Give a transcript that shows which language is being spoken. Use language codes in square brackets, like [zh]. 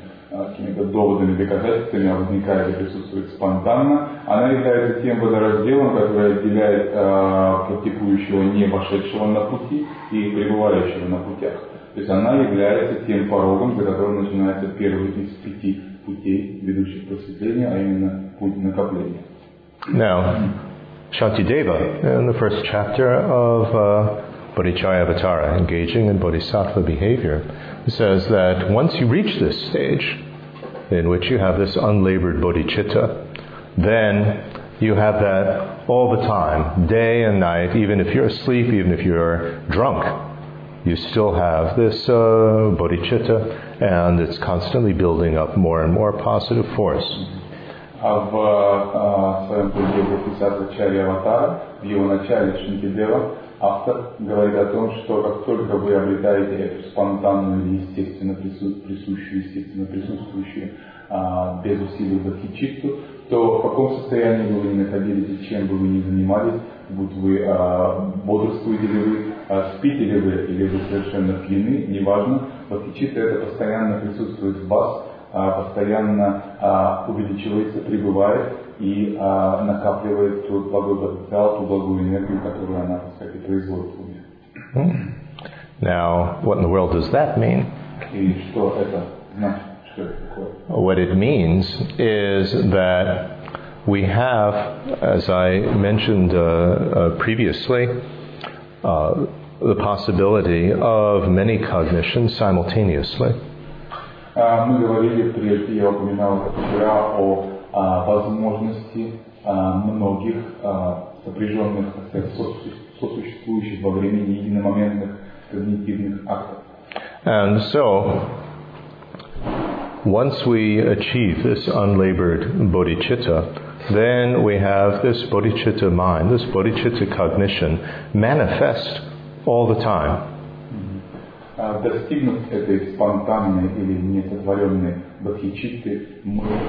[ru] Какими-то доводами, доказательствами, а возникает и присутствует спонтанно, она является тем водоразделом, который отделяет практикующего не вошедшего на пути и пребывающего на путях. То есть она является тем порогом, за которым начинается первый из пяти путей, ведущих к просветлению, а именно путь накопления. [en] Now, Shantideva, in the first chapter of Bodhicayavatara, engaging in bodhisattva behavior, says that once you reach this stage, in which you have this unlabored bodhicitta, then you have that all the time, day and night, even if you're asleep, even if you're drunk, you still have this bodhicitta, and it's constantly building up more and more positive force. [ru] В своем пути бодхисаттва Чарьяватара, в его начале Шантидева, автор говорит о том, что как только вы обретаете эту спонтанную, естественно присущую, естественно присутствующую, без усилий бодхичитту, то в каком состоянии бы вы ни находились, чем бы вы ни занимались, будь вы бодрствуете ли вы, спите ли вы, или вы совершенно пьяны, неважно, бодхичитта это постоянно присутствует в вас, постоянно увеличивается, пребывает и накапливает тот благой потенциал, ту благую энергию, которую она, так сказать, производит в уме. [en] Now, what in the world does that mean? [ru] И что это значит? Что это такое? [en] What it means is that we have, as I mentioned previously, the possibility of many cognitions simultaneously. [ru] Мы говорили прежде, я упоминал вчера о возможности многих сопряженных, так сказать, сосуществующих во времени единомоментных когнитивных актов. [en] And so, once we achieve this unlabored bodhicitta, then we have this bodhicitta mind, this bodhicitta cognition manifest all the time. [ru] Достигнув этой спонтанной или несотворенной бодхичитты, мы,